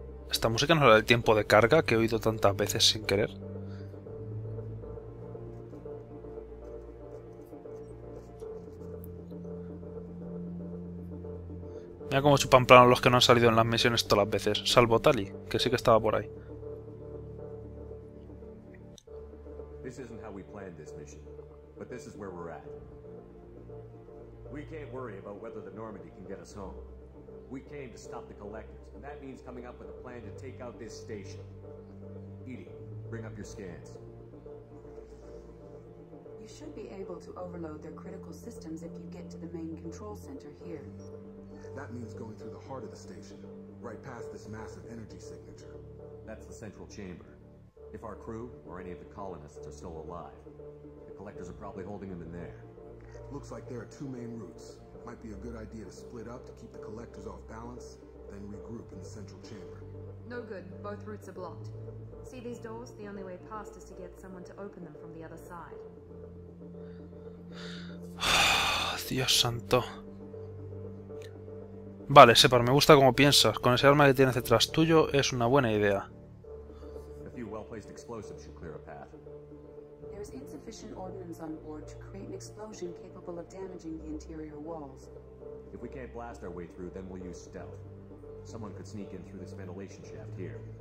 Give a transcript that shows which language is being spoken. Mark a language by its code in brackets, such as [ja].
[es] ¿Esta música no era el tiempo de carga que he oído tantas veces sin querer? Mira cómo chupan plano los que no han salido en las misiones todas las veces, salvo Tali, que sí que estaba por ahí. [en] This isn't how we planned this mission, but this is where we're at. We can't worry about whether the Normandy can get us home. We came to stop the collectors, and that means coming up with a plan to take out this station. Edie, bring up your scans. You should be able to overload their critical systems if you get to the main control center here. That means going through the heart of the station, right past this massive energy signature. That's the central chamber. If our crew or any of the colonists are still alive, the collectors are probably holding them in there. Looks like there are two main routes. Might be a good idea to split up to keep the collectors off balance, then regroup in the central chamber. No good. Both routes are blocked. See these doors? The only way past is to get someone to open them from the other side. [es] Dios santo. Vale, Separ, me gusta cómo piensas. Con ese arma que tienes detrás tuyo es una buena idea. [en] A few well-placed explosives should clear a path. There there's insufficient ordnance on board to create an explosion capable of damaging the interior walls. If we can't blast our way through, then we'll use stealth. Someone could sneak in through this ventilation shaft here.